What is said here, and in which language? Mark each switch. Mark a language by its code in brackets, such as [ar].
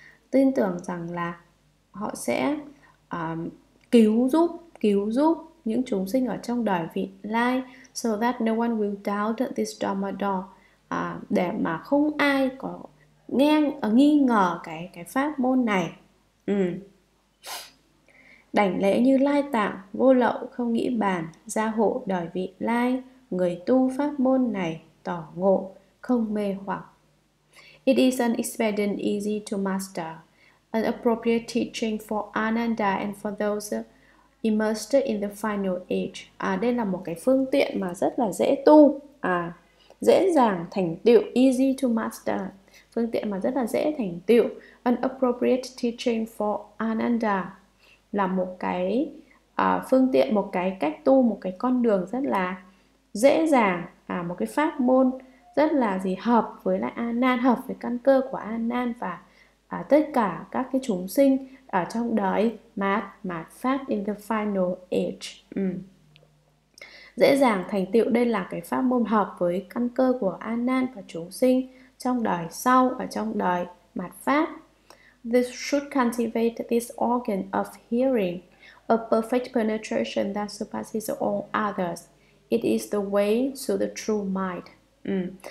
[vi] Tin tưởng rằng là họ sẽ cứu giúp những chúng sinh ở trong đời vị lai. [en] So that no one will doubt this Dharma door. [vi] Để mà không ai có nghi ngờ cái pháp môn này. Đảnh lễ Như Lai tạng, vô lậu không nghĩ bàn, gia hộ đời vị lai, người tu pháp môn này tỏ ngộ không mê hoặc. [en] It is an expedient easy to master, an appropriate teaching for Ananda and for those immersed in the final age. [vi] Đây là một cái phương tiện mà rất là dễ tu, dễ dàng thành tựu, [en] easy to master, [vi] phương tiện mà rất là dễ thành tựu. [en] An appropriate teaching for Ananda [vi] là một cái phương tiện, một cái cách tu, một cái con đường rất là dễ dàng, một cái pháp môn rất là gì, hợp với lại Anan, hợp với căn cơ của Anan và tất cả các cái chúng sinh ở trong đời mạt pháp [en] in the final age. [vi] Dễ dàng thành tựu, đây là cái pháp môn hợp với căn cơ của Anan và chúng sinh trong đời sau và trong đời mạt pháp. [en] This should cultivate this organ of hearing, a perfect penetration that surpasses all others. It is the way to the true mind.